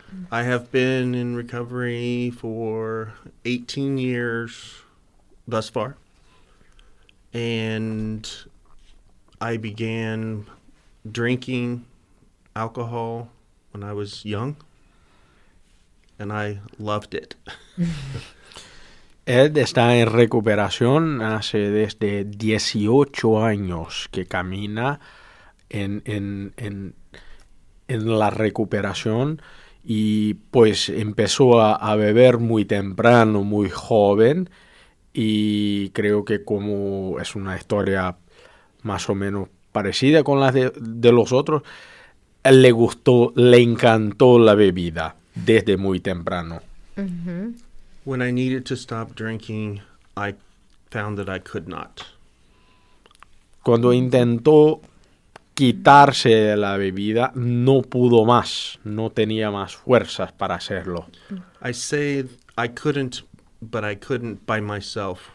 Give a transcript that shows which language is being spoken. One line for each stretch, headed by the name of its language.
English: I have been in recovery for 18 years thus far. And I began drinking alcohol when I was young. And I loved it.
Spanish: Ed está en recuperación hace desde 18 años que camina en la recuperación, y pues empezó a beber muy temprano, muy joven, y creo que como es una historia más o menos parecida con la de los otros, él le gustó, le encantó la bebida desde muy temprano.
English: When I needed to stop drinking, I found that I could not.
Spanish: Cuando intentó quitarse de la bebida, no pudo más. No tenía más fuerzas para hacerlo.
English: I say I couldn't, but I couldn't by myself.